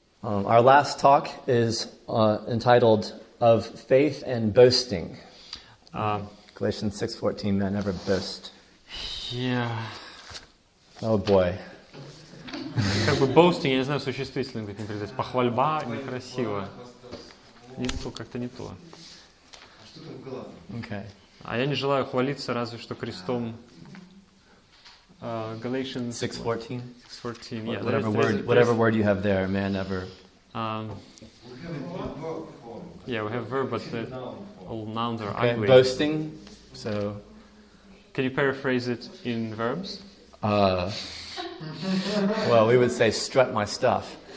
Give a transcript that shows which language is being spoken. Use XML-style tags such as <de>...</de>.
<en>Our last talk is entitled "Of Faith and Boasting." Galatians 6:14, man, never boast. Yeah. Oh boy.</en> <ru>Как бы boasting, я не знаю, существительным как-то придать. Похвальба некрасиво. Ничего как-то не то.</ru> <en>Okay.</en> <ru>А я не желаю хвалиться, разве что крестом.</ru> <en>Galatians 6:14. 6:14. Yeah. Whatever word you have there, man, never. We have verb, but the all nouns are ugly. Boasting. So, can you paraphrase it in verbs? Well, we would say strut my stuff.</en>